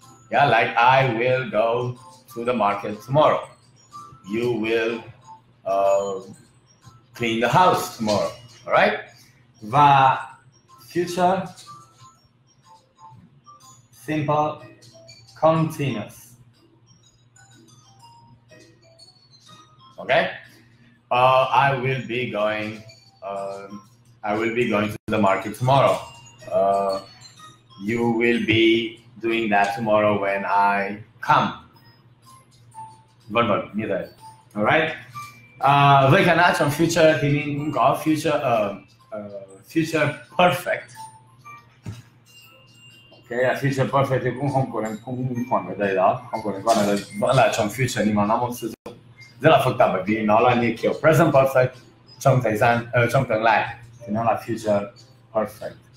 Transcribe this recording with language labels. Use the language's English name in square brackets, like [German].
[English] Yeah, like I will go to the market tomorrow. You will clean the house tomorrow. All right? [Vietnamese] và [English] future simple continuous. Okay. I will be going to the market tomorrow. You will be doing that tomorrow when I come. [Vietnamese] Vân vân như thế. Alright. Với cả nát trong future thì mình cũng có future future perfect. Okay, future perfect thì cũng không có liên quan ở đây đó, không có liên quan ở đây. Vẫn là trong future nhưng mà nó một sự rất là phức tạp bởi vì nó là như kiểu present perfect trong thời gian trong tương lai thì nó là future perfect.